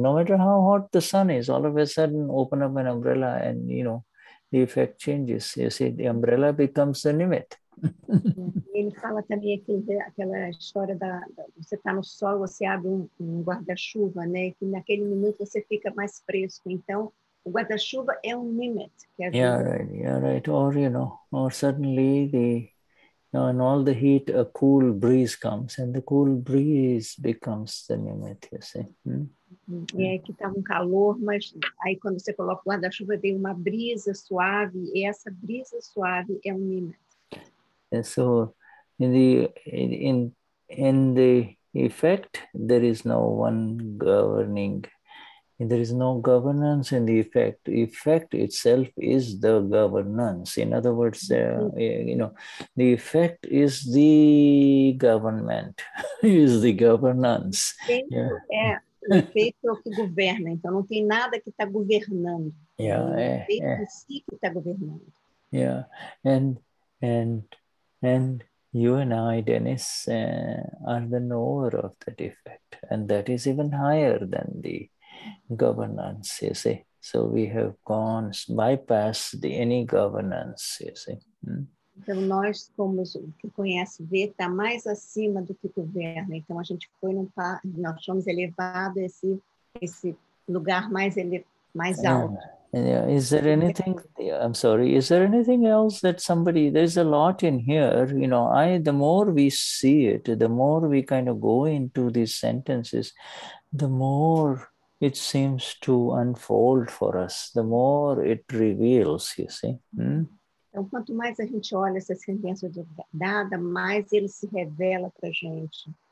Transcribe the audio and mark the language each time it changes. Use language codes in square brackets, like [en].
[en] No matter how hot the sun is, all of a sudden open up an umbrella and, you know, the effect changes. You see, the umbrella becomes the nimit. [pt] Ele fala também aquela história da você está no sol, você abre um guarda-chuva, né? Que naquele minuto você fica mais fresco. Então, o guarda-chuva é nimit. [en] Yeah, right. Or, you know, or suddenly the... Now, in all the heat, a cool breeze comes, and the cool breeze becomes the nimit, you see. [pt] É que está calor, mas aí quando você coloca o guarda-chuva, tem uma brisa suave, e essa brisa suave é o nimit. [en] So, in the effect, there is no one governing. There is no governance in the effect. Effect itself is the governance. In other words, the effect is the government, is the governance. [pt] Yeah. É o efeito que governa. Então, não tem nada que está governando. [en] Yeah. [pt] O efeito em si que está governando. [en] Yeah. And you and I, Dennis, are the knower of that effect. And that is even higher than the governance, you see. So we have gone bypass any governance, you see. [pt] Então, nós, como o que conhece vê, está mais acima do que governa. Então, a gente foi num par, nós fomos elevados a esse, esse lugar mais, ele, mais alto. [en] Yeah. Is there anything, I'm sorry, is there anything else that somebody, there's a lot in here, you know, I, the more we see it, the more we kind of go into these sentences, the more it seems to unfold for us, the more it reveals, you see. [pt] Então, quanto mais a gente olha essa sentença de dada, mais ele se revela para a gente.